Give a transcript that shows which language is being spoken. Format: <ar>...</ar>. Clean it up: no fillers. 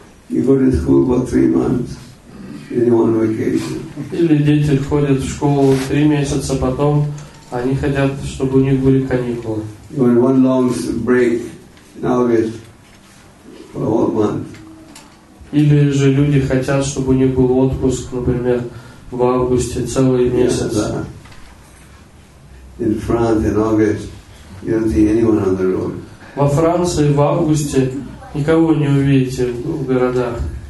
<ru>Или дети ходят в школу 3 месяца, потом они хотят, чтобы у них были каникулы.</ru> <en>Or one long break in August for a whole month.</en> <ru>Или же люди хотят, чтобы у них был отпуск, например, в августе целый месяц.</ru> <en>Yes, in France in August you don't see anyone on the road.</en> <ru>Во Франции в августе никого не увидите в городах.</ru>